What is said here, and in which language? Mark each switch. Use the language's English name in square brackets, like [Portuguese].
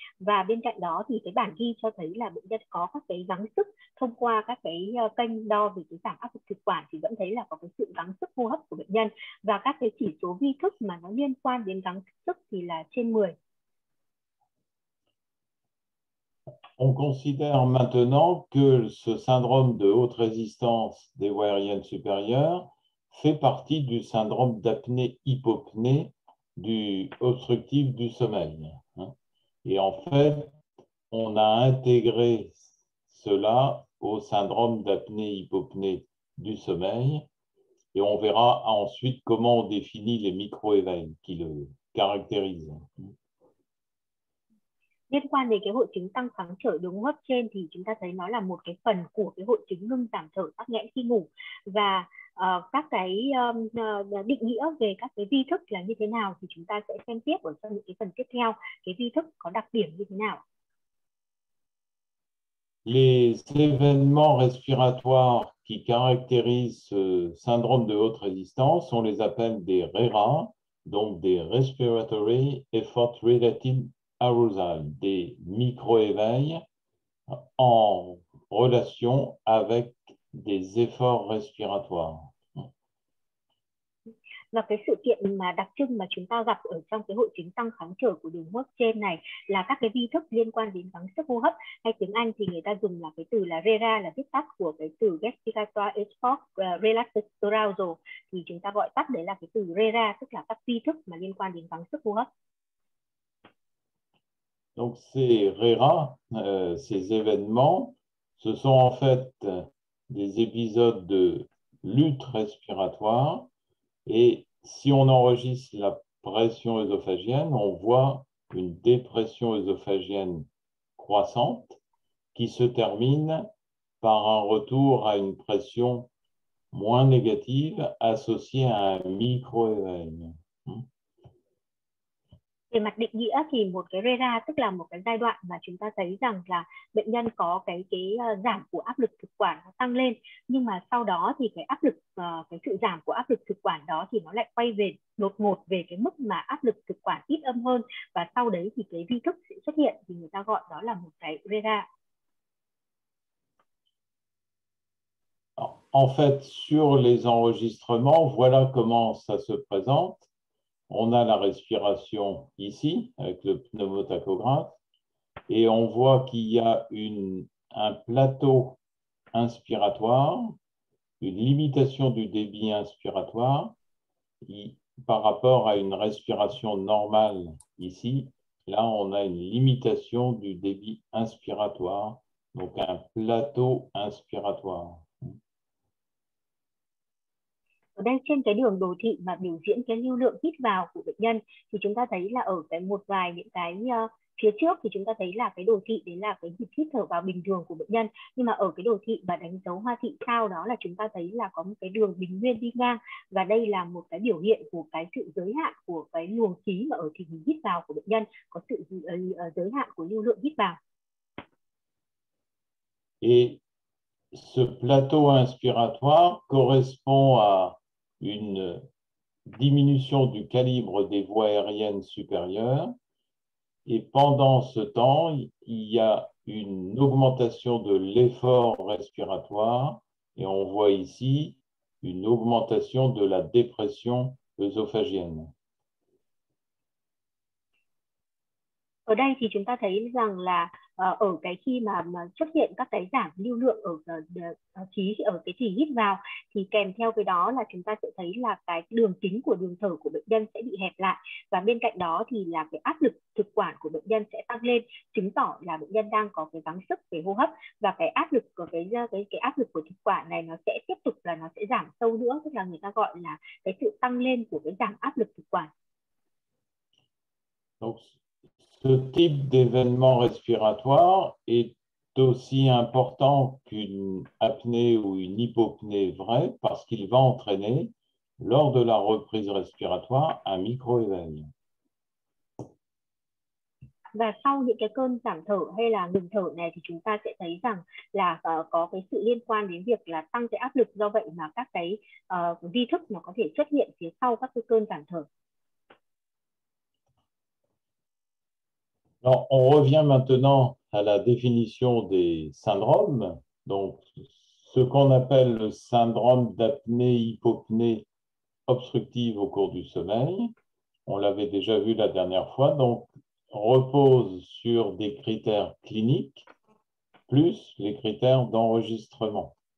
[Vietnamese] Và bên cạnh đó thì cái bản ghi cho thấy là bệnh nhân có các cái gắng sức thông qua các cái kênh đo về cái giảm áp lực thực quản thì vẫn thấy là có cái sự gắng sức hô hấp của bệnh nhân. Và các cái chỉ số vi thức mà nó liên quan đến gắng sức thì là trên 10. [French] On considère maintenant que ce syndrome de haute résistance des voies aériennes supérieures fait partie du syndrome d'apnée-hypopnée du obstructif du sommeil. Et en fait, on a intégré cela au syndrome d'apnée-hypopnée du sommeil et on verra ensuite comment on définit les micro-éveils qui le caractérisent. [Vietnamese] Liên quan đến cái hội chứng tăng kháng trở đường hô hấp trên thì chúng ta thấy nó là một cái phần của cái hội chứng ngưng giảm thở tắc nghẽn khi ngủ. Và các cái định nghĩa về các cái vi thức là như thế nào thì chúng ta sẽ xem tiếp ở trong những cái phần tiếp theo, cái vi thức có đặc điểm như thế nào. [French] Les événements respiratoires qui caractérisent ce syndrome de haute résistance, on les appelle des RERA, donc des [English] respiratory effort related [French] arousal, des micro-éveils en relation avec des efforts respiratoires. [Vietnamese] Và cái sự kiện mà đặc trưng mà chúng ta gặp ở trong cái hội chứng tăng kháng thở của đường hô hấp trên này là các cái vi thức liên quan đến gắng sức hô hấp, hay tiếng Anh thì người ta dùng là cái từ là RERA, là viết tắt của cái từ [English] respiratory effort relaxed arousal, [Vietnamese] thì chúng ta gọi tắt đấy là cái từ RERA, tức là các vi thức mà liên quan đến gắng sức hô hấp. [French] Donc ces RERA, ces événements, ce sont en fait des épisodes de lutte respiratoire. Et si on enregistre la pression œsophagienne, on voit une dépression œsophagienne croissante qui se termine par un retour à une pression moins négative associée à un micro-éveil. [Vietnamese] Về mặt định nghĩa thì một cái RERA tức là một cái giai đoạn mà chúng ta thấy rằng là bệnh nhân có cái giảm của áp lực thực quản nó tăng lên, nhưng mà sau đó thì cái áp lực, cái sự giảm của áp lực thực quản đó thì nó lại quay về đột ngột về cái mức mà áp lực thực quản ít âm hơn, và sau đấy thì cái vi thức sẽ xuất hiện, thì người ta gọi đó là một cái RERA. [French] En fait, sur les enregistrements, voilà comment ça se présente. On a la respiration ici avec le pneumotachographe et on voit qu'il y a un plateau inspiratoire, une limitation du débit inspiratoire par rapport à une respiration normale ici. Là, on a une limitation du débit inspiratoire, donc un plateau inspiratoire. [Vietnamese] Ở đây trên cái đường đồ thị mà biểu diễn cái lưu lượng hít vào của bệnh nhân thì chúng ta thấy là ở cái một vài những cái phía trước thì chúng ta thấy là cái đồ thị đấy là cái nhịp hít thở vào bình thường của bệnh nhân, nhưng mà ở cái đồ thị mà đánh dấu hoa thị sau đó là chúng ta thấy là có một cái đường bình nguyên đi ngang, và đây là một cái biểu hiện của cái sự giới hạn của cái luồng khí mà ở thị hít vào của bệnh nhân, có sự giới hạn của lưu lượng hít vào. [French] Et ce plateau inspiratoire correspond à une diminution du calibre des voies aériennes supérieures, et pendant ce temps, il y a une augmentation de l'effort respiratoire, et on voit ici une augmentation de la dépression œsophagienne. [Vietnamese] Ở đây thì chúng ta thấy rằng là ở cái khi mà xuất hiện các cái giảm lưu lượng ở khí ở cái thì hít vào, thì kèm theo cái đó là chúng ta sẽ thấy là cái đường kính của đường thở của bệnh nhân sẽ bị hẹp lại, và bên cạnh đó thì là cái áp lực thực quản của bệnh nhân sẽ tăng lên, chứng tỏ là bệnh nhân đang có cái gắng sức về hô hấp, và cái áp lực của cái áp lực của thực quản này nó sẽ tiếp tục là nó sẽ giảm sâu nữa, tức là người ta gọi là cái sự tăng lên của cái giảm áp lực thực quản. [French] Ce type d'événement respiratoire est aussi important qu'une apnée ou une hypopnée vraie parce qu'il va entraîner, lors de la reprise respiratoire, un micro-éveil. [Vietnamese] Và sau những cái cơn giảm thở hay là ngừng thở này thì chúng ta sẽ thấy rằng là có cái sự liên quan đến việc là tăng cái áp lực, do vậy mà các cái vi thức nó có thể xuất hiện phía sau các cái cơn giảm thở. [French] Alors, on revient maintenant à la définition des syndromes. Donc, ce qu'on appelle le syndrome d'apnée-hypopnée obstructive au cours du sommeil, on l'avait déjà vu la dernière fois, donc repose sur des critères cliniques plus les critères d'enregistrement.